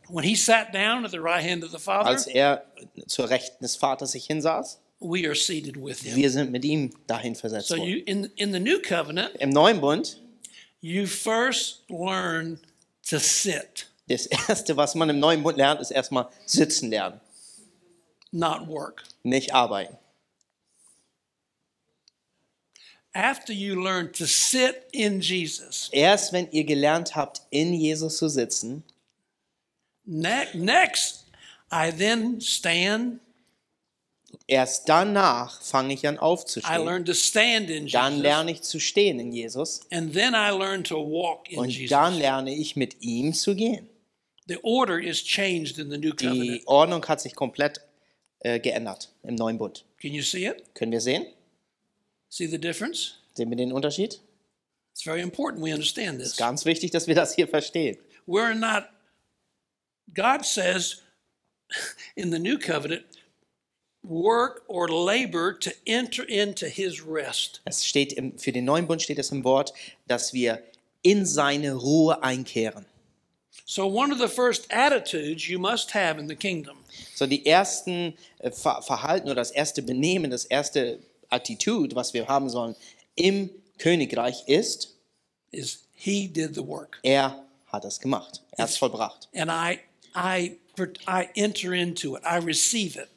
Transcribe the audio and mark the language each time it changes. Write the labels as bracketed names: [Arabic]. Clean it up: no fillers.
[English] When he sat down at the right hand of the Father, [German] als er zur Rechten des Vaters sich hinsaß, [English] we are seated with him. [German] Wir sind mit ihm dahin versetzt worden. [English] So in the new covenant, [German] im neuen Bund, [English] you first learn to sit. [German] Das erste, was man im neuen Bund lernt, ist erstmal sitzen lernen. [English] Not work. [German] Nicht arbeiten. [English] After you learn to sit in Jesus. [German] Erst wenn ihr gelernt habt, in Jesus zu sitzen. [English] Next, I then stand. [German] Erst danach fange ich an aufzustehen. [English] I learn to stand in Jesus. [German] Dann lerne ich zu stehen in Jesus. [English] And then I learn to walk in [German] Und [English] Jesus. [German] Und dann lerne ich mit ihm zu gehen. [English] The order is changed in the new covenant. [German] Die Ordnung hat sich komplett geändert im neuen Bund. [English] Can you see it? [German] Können wir sehen? [English] See the difference? [German] Sehen wir den Unterschied? [English] It's very important we understand this. [German] Es ist ganz wichtig, dass wir das hier verstehen. [English] We're not. God says in the new covenant, work or labor to enter into His rest. [German] Es steht im, für den neuen Bund steht es im Wort, dass wir in seine Ruhe einkehren. [English] So one of the first attitudes you must have in the kingdom. [German] So die ersten Verhalten oder das erste Benehmen, das erste Attitude, was wir haben sollen im Königreich ist, [English] is he did the work. [German] Er hat es gemacht. Er hat es vollbracht. [English] And I enter into it. I receive it.